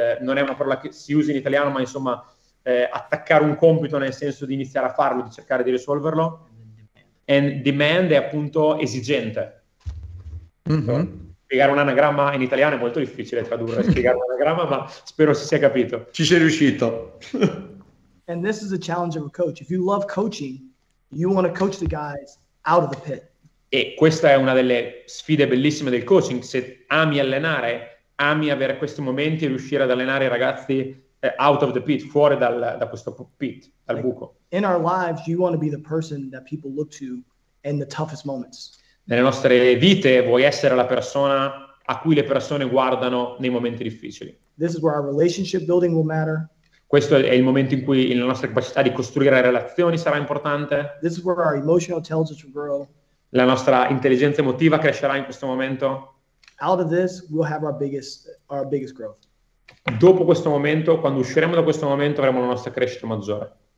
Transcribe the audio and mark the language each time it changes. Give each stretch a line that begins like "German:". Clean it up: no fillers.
Italian: Non è una parola che si usa in italiano, ma insomma attaccare un compito nel senso di iniziare a farlo, di cercare di risolverlo.
English: And demand
Italian: è appunto esigente. Spiegare un anagramma in italiano è molto difficile tradurre, spiegare un anagramma, ma spero si sia capito. Ci sei riuscito.
English: And this is a challenge of a coach. If you love coaching, you want to coach the guys out of the pit.
Italian: E questa è una delle sfide bellissime del coaching. Se ami allenare, ami avere questi momenti e riuscire ad allenare i ragazzi
English: out of the pit,
Italian: fuori da questo pit, dal buco.
English: In our lives, you want to be the person that people look to in the toughest moments.
Italian: Nelle nostre vite vuoi essere la persona a cui le persone guardano nei momenti difficili.
English: This is where our relationship building will matter.
Italian: Questo è il momento in cui la nostra capacità di costruire relazioni sarà importante.
English: This is where our emotional intelligence will grow.
Italian: La nostra intelligenza emotiva crescerà in questo momento.
English: Out of this, we'll have our biggest growth.
Italian: Dopo questo momento, quando usciremo da questo momento, avremo la nostra crescita maggiore.